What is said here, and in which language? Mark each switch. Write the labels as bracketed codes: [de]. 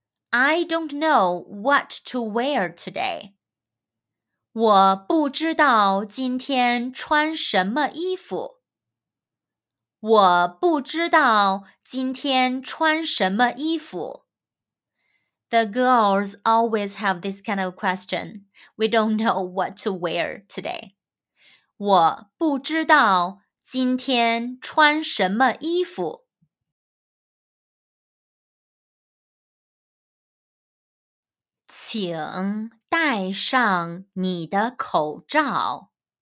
[en] I don't know what to wear today. [zh] 我不知道今天穿什么衣服。我不知道今天穿什么衣服。 [en] The girls always have this kind of question. We don't know what to wear today. [zh] 我不知道今天穿什么衣服？请戴上你的口罩。